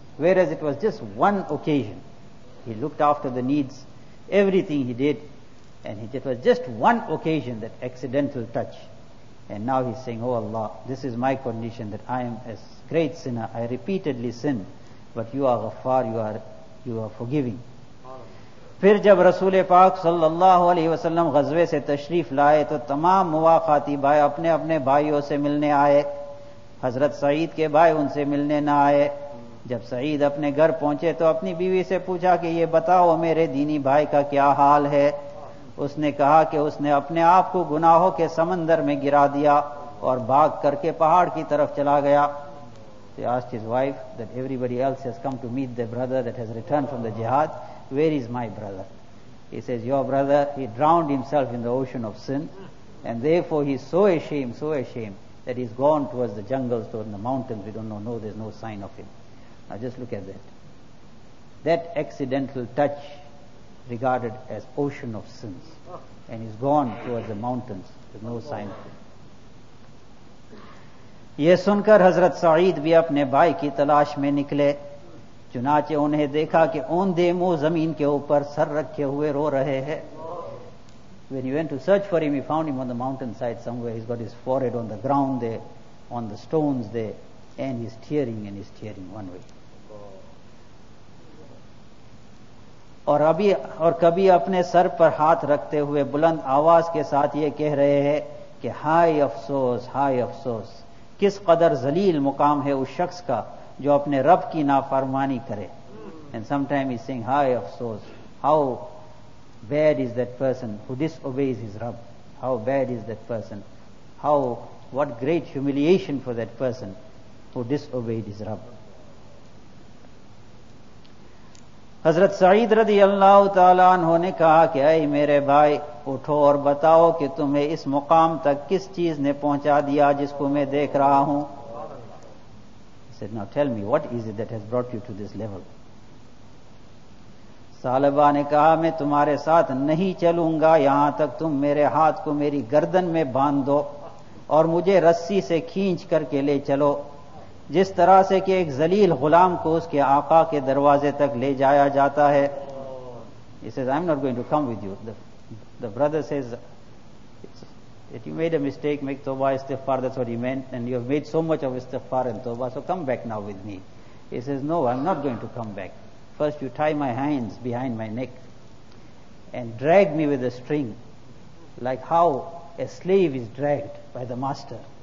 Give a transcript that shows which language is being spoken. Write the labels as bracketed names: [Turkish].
[English] Whereas it was just one occasion, he looked after the needs, everything he did, and it was just one occasion, that accidental touch, and now he's saying, oh Allah, this is my condition, that I am a great sinner, I repeatedly sin, but you are ghaffar, you are forgiving. [Urdu] پھر جب رسول پاک صلی اللہ علیہ وسلم غزوے سے تشریف لائے تو تمام مواقاتی بھائی اپنے اپنے بھائیوں سے ملنے آئے, حضرت سعید کے بھائی ان سے ملنے نہ آئے. جب سعید اپنے گھر پہنچے تو اپنی بیوی سے پوچھا کہ یہ بتاؤ میرے دینی بھائی کا کیا حال ہے. اس نے کہا کہ اس نے اپنے آپ کو گناہوں کے سمندر میں گرا دیا اور بھاگ کر کے پہاڑ کی طرف چلا گیا. [English] He asked his wife that everybody else has come to meet their brother that has returned from the jihad. Where is my brother? He says, your brother, he drowned himself in the ocean of sin, and therefore he is so ashamed, that he's gone towards the jungles, towards the mountains. We don't know, there's no sign of him. Now just look at that. That accidental touch regarded as ocean of sins, and he's gone towards the mountains, there's no sign of him. [Urdu] یہ سن کر حضرت سعید بھی اپنے بھائی کی تلاش میں نکلے, چنانچہ انہیں دیکھا کہ اوندے منہ زمین کے اوپر سر رکھے ہوئے رو رہے ہیں. [English] When he went to search for him, he found him on the mountain side somewhere. He's got his forehead on the ground there, on the stones there, and he's tearing and he's tearing one way. [Urdu] اور ابھی اور کبھی اپنے سر پر ہاتھ رکھتے ہوئے بلند آواز کے ساتھ یہ کہہ رہے ہیں کہ ہائے افسوس, ہائے افسوس, کس قدر ذلیل مقام ہے اس شخص کا جو اپنے رب کی نافرمانی کرے. [English] And sometimes he's saying, hi افسوس, how bad is that person who disobeys his Rabb, how bad is that person, how, what great humiliation for that person who disobeyed his Rabb. [Urdu] حضرت سعید رضی اللہ تعالیٰ عنہ نے کہا کہ اے میرے بھائی, اٹھو اور بتاؤ کہ تمہیں اس مقام تک کس چیز نے پہنچا دیا جس کو میں دیکھ رہا ہوں. [English] He said, now tell me, what is it that has brought you to this level? [Urdu] Saliba نے کہا, میں تمہارے ساتھ نہیں چلوں گا یہاں تک تم میرے ہاتھ کو میری گردن میں باندھ دو اور مجھے رسی سے کھینچ کر کے لے چلو, جس طرح سے کہ ایک ذلیل غلام کو اس کے آقا کے دروازے تک لے جایا جاتا ہے. [English] He says, I'm not going to come with you. The brother says, that you made a mistake, make tawbah, istighfar, that's what he meant, and you have made so much of istighfar and tawbah, so come back now with me. He says, no, I'm not going to come back. First you tie my hands behind my neck and drag me with a string, like how a slave is dragged by the master.